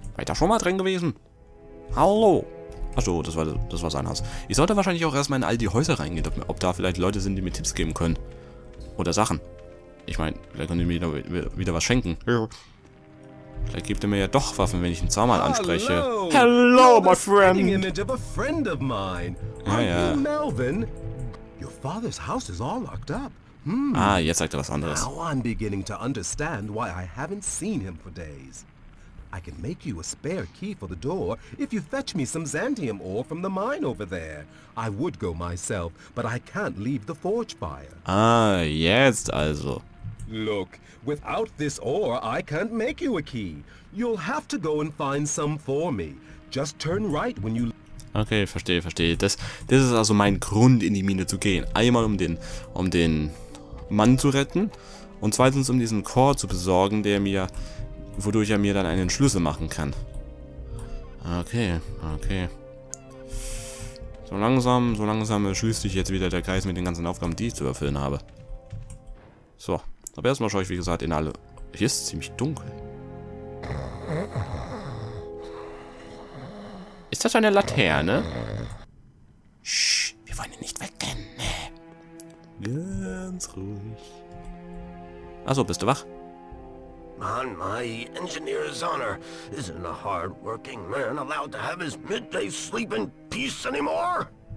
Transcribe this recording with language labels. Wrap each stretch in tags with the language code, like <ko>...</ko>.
<de>War ich da schon mal drin gewesen? Hallo. Achso, das war sein Haus. Ich sollte wahrscheinlich auch erstmal in all die Häuser reingehen, ob da vielleicht Leute sind, die mir Tipps geben können. Oder Sachen. Ich meine, vielleicht können die mir wieder was schenken. Ja. Vielleicht gibt er mir ja doch Waffen, wenn ich ihn zweimal anspreche.</de> <en>Hallo, my friend. You're the image of a friend of mine.</en> <de>Ja, ja.</de> <en>Are you Melvin? Your father's house is all locked up. Hmm.</en> <de>Ah, jetzt sagt er was anderes.</de> <en>Now I'm beginning to understand why I haven't seen him for days. I can make you a spare key for the door if you fetch me some xanthium ore from the mine over there. I would go myself, but I can't leave the forge fire.</en> <de>Ah, jetzt also.</de> <en>Look, without this ore, I can't make you a key. You'll have to go and find some for me. Just turn right when you...</en> <de>Okay, verstehe. Das ist also mein Grund, in die Mine zu gehen. Einmal um den Mann zu retten und zweitens um diesen Chor zu besorgen, der mir... wodurch er mir dann einen Schlüssel machen kann. Okay. So langsam schließt sich jetzt wieder der Kreis mit den ganzen Aufgaben, die ich zu erfüllen habe. So, aber erstmal schaue ich, wie gesagt, in alle... Hier ist es ziemlich dunkel. Ist das eine Laterne? Shh, wir wollen ihn nicht wecken, ne? Ganz ruhig. Achso, bist du wach?</de> <en>On my engineer's honor, isn't a hard-working man allowed to have his midday sleep in peace anymore?</en>